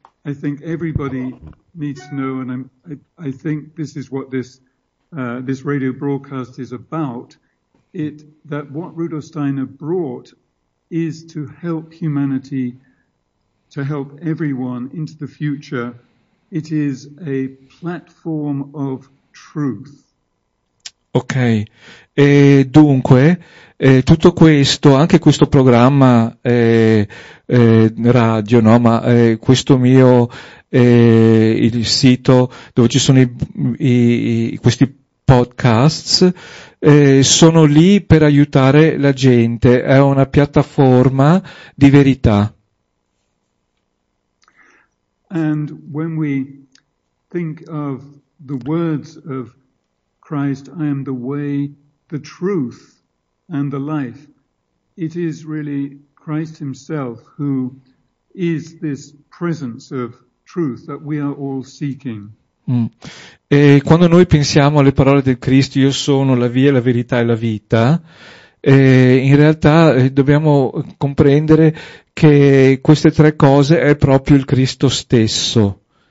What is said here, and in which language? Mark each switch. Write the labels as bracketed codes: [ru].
[en] I think everybody needs to know, and I think this is what this radio broadcast is about, that what Rudolf Steiner brought is to help humanity, to help everyone into the future. It is a platform of truth. [it] Ok, e dunque tutto questo, anche questo programma radio, no? Ma questo mio il sito dove ci sono questi podcasts, sono lì per aiutare la gente, è una piattaforma di verità. [en] And when we think of the words of Christ, I am the way, the truth, and the life. It is really Christ himself who is this presence of truth that we are all seeking. Mm. [it] E quando noi pensiamo alle parole del Cristo, io sono la via, la verità e la vita, in realtà dobbiamo comprendere che queste tre cose è proprio il Cristo stesso.